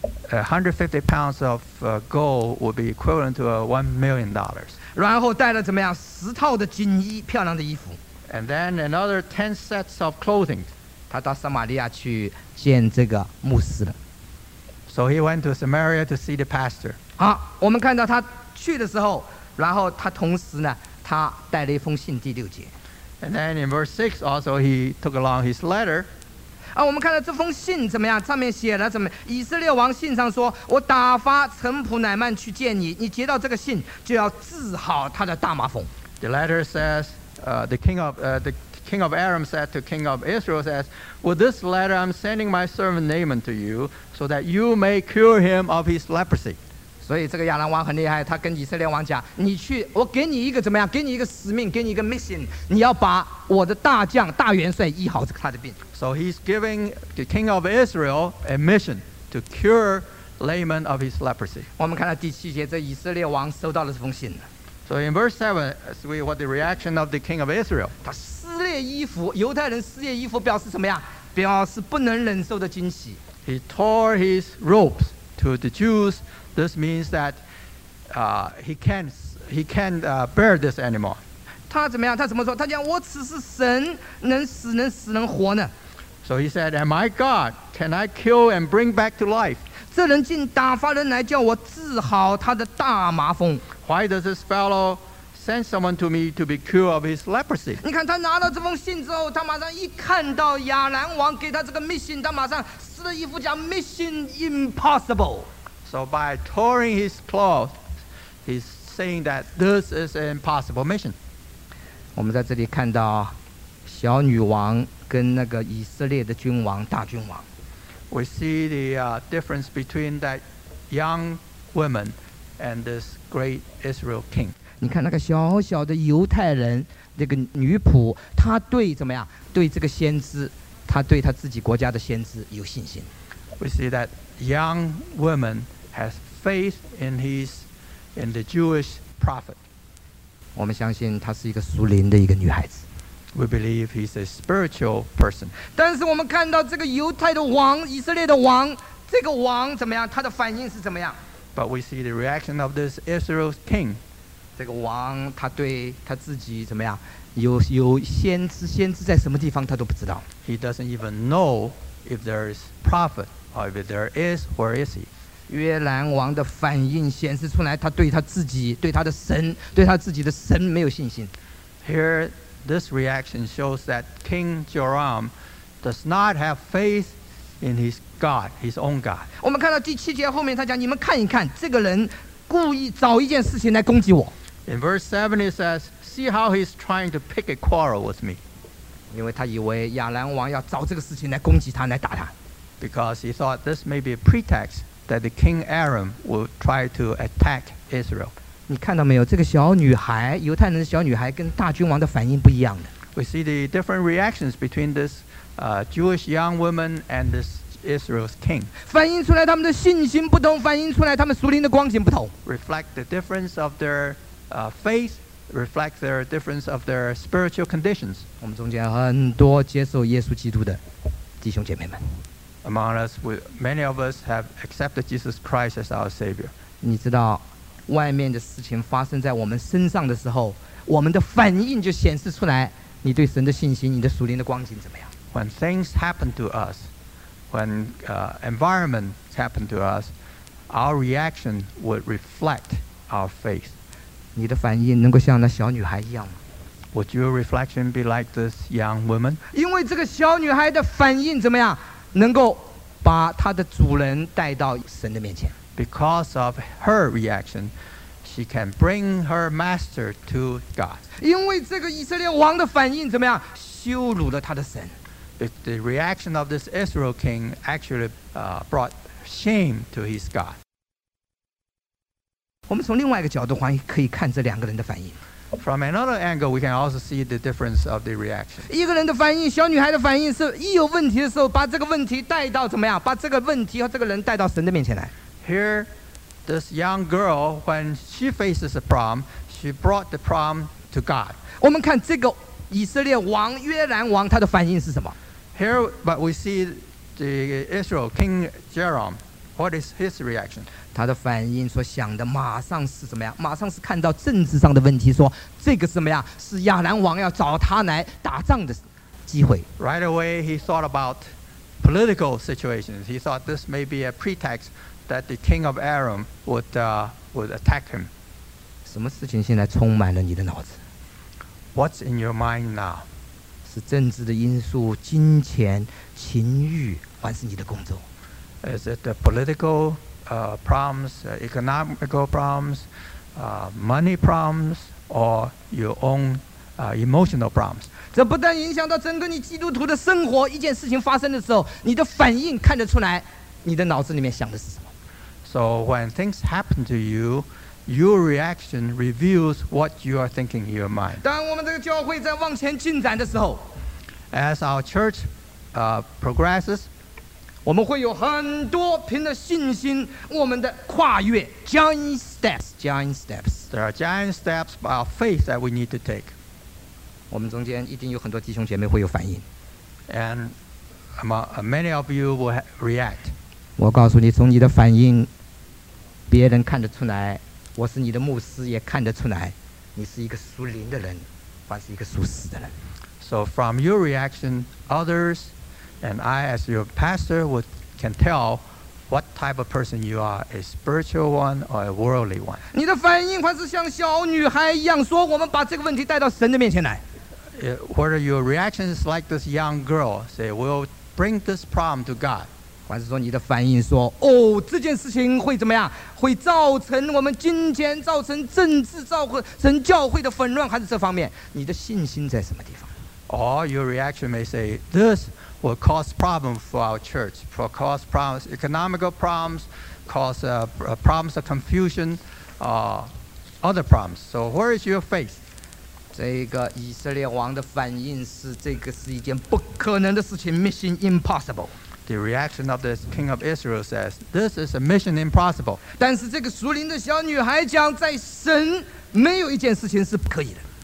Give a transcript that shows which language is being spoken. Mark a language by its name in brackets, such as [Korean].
[English] 150 pounds of gold would be equivalent to $1,000,000. [Chinese] 然后带了怎么样？10套的金衣，漂亮的衣服。 [English] And then another 10 sets of clothing. [Chinese] 他到撒玛利亚去见这个牧师了。 [English] So he went to Samaria to see the pastor. [Chinese] 好，我们看到他去的时候，然后他同时呢，他带了一封信。第六节。 [English] And then in verse 6 also he took along his letter. [Chinese] 啊，我们看到这封信怎么样？上面写了怎么？以色列王信上说，我打发臣仆乃曼去见你，你接到这个信就要治好他的大麻风。 [English] The letter says, the king of Aram said to king of Israel, says, with this letter I'm sending my servant Naaman to you, so that you may cure him of his leprosy. [Chinese] 所以这个亚兰王很厉害，他跟以色列王讲，你去，我给你一个怎么样？给你一个使命，给你一个 mission， 你要把我的大将大元帅医好他的病。 [English] So he's giving the king of Israel a mission to cure Naaman of his leprosy. [Chinese] 我们看到第七节，这以色列王收到了这封信。 [English] So in verse 7, see what the reaction of the king of Israel. [Chinese] 他撕裂衣服，犹太人撕裂衣服表示什么呀？表示不能忍受的惊喜。 [English] He tore his robes to the Jews. This means that he can't bear this anymore. [Chinese] 他怎么样？他怎么说？他讲：“我只是神，能死能死能活呢。” [English] So he said, "Am I God? Can I kill and bring back to life?" [Chinese] 这人竟打发人来叫我治好他的大麻风。 [English] Why does this fellow send someone to me to be cured of his leprosy? [Chinese] 你看他拿到这封信之后，他马上一看到亚兰王给他这个 mission， 他马上撕了衣服讲 [English] mission impossible. So by tearing his clothes, he's saying that this is an impossible mission. [Chinese] 我们在这里看到小女王跟那个以色列的君王大君王。 [English] We see the difference between that young woman and this great Israel king. [Chinese] 你看那个小小的犹太人，这个女仆，她对怎么样？对这个先知，她对她自己国家的先知有信心。 [English] We see that young woman has faith in the Jewish prophet. [Chinese] 我们相信她是一个属灵的一个女孩子。 [English] We believe he's a spiritual person. [Chinese] 但是我们看到这个犹太的王，以色列的王，这个王怎么样？他的反应是怎么样 [English] ？But we see the reaction of this Israel's king. [Chinese] 这个王他对他自己怎么样有先知，先知在什么地方他都不知道。 [English] He doesn't even know if there is prophet or if there is, where is he? [Chinese] 约兰王的反应显示出来他对他自己，对他的神，对他自己的神没有信心。 [English] Here this reaction shows that King Joram does not have faith in his God, his own God. [Chinese] 我们看到第七节后面他讲，你们看一看，这个人故意找一件事情来攻击我。 [English] In verse 7 it says, see how he's trying to pick a quarrel with me. [Chinese] 因为他以为亚兰王要找这个事情来攻击他，来打他。 [English] Because he thought this may be a pretext that the king Aram would try to attack Israel. [Chinese] 你看到没有，这个小女孩，犹太人的小女孩跟大君王的反应不一样的。 [English] We see the different reactions between this Jewish young woman and this Israel's king. [Chinese] 反映出来他们的信心不同，反映出来他们属灵的光景不同。 [English] Reflect the difference of their faith, reflect their difference of their spiritual conditions. [Chinese] 我们中间很多接受耶稣基督的弟兄姐妹们。 [English] Among us, many of us have accepted Jesus Christ as our Savior. [Chinese] 你知道外面的事情发生在我们身上的时候，我们的反应就显示出来你对神的信心，你的属灵的光景怎么样。 [English] When things happen to us, when environment happen to us, our reaction would reflect our faith. [Chinese] 你的反应能够像那小女孩一样吗？ [English] Would your reflection be like this young woman? [Chinese] 因为这个小女孩的反应怎么样，能够把她的主人带到神的面前。 [English] Because of her reaction, she can bring her master to God. [Chinese] 因为这个以色列王的反应怎么样，羞辱了他的神。 [English] If the reaction of this Israel king actually brought shame to his God. [Chinese] 我们从另外一个角度还可以看这两个人的反应。 [English] From another angle, we can also see the difference of the reaction. [Chinese] 一个人的反应，小女孩的反应是一有问题的时候，把这个问题带到怎么样？把这个问题和这个人带到神的面前来。 [English] Here, this young girl, when she faces a problem, she brought the problem to God. [Chinese] 我们看这个以色列王约兰王他的反应是什么？ [English] Here, but we see the Israel King Joram. What is his reaction? [Chinese] 他的反应所想的马上是什么呀？马上是看到政治上的问题，说这个什么呀？是亚兰王要找他来打仗的机会。 [English] Right away, he thought about political situations. He thought this may be a pretext that the king of Aram would attack him. [Chinese] 什么事情现在充满了你的脑子？ [English] What's in your mind now? [Chinese] 是政治的因素、金钱、情欲，还是你的工作？ [English] Is it the political problems, economical problems, money problems, or your own emotional problems? [Chinese] 这不但影响到整个你基督徒的生活，一件事情发生的时候，你的反应看得出来，你的脑子里面想的是什么。 [English] So when things happen to you,Your reaction reveals what you are thinking in your mind. [Chinese] 当我们这个教会在往前进展的时候， [English] As our church progresses, [Chinese] 我们会有很多凭着信心我们的跨越 [English] giant steps. There are giant steps by our faith that we need to take. [Chinese] 我们中间一定有很多弟兄姐妹会有反应， [English] And many of you will react. [Chinese] 我告诉你，从你的反应别人看得出来，我是你的牧师也看得出来，你是一个属灵的人，还是一个属死的人。 [English] So from your reaction, others and I as your pastor can tell what type of person you are, a spiritual one or a worldly one. [Chinese] 你的反应还是像小女孩一样说，我们把这个问题带到神的面前来。 [English] Whether your reaction is like this young girl, say, we'll bring this problem to God. [Chinese] 还是说你的反应说，哦，这件事情会怎么样？会造成我们金钱，造成政治，造成教会的纷乱，还是这方面？你的信心在什么地方？ [English] Or your reaction may say, this will cause problems for our church, will cause problems, economical problems, cause problems of confusion, other problems. So where is your faith? [Chinese] 这个以色列王的反应是，这个是一件不可能的事情， [English] mission impossible. The reaction of this king of Israel says, "This is a mission impossible." [Chinese] 但是这个属灵的小女孩讲，在神没有一件事情是不可以的。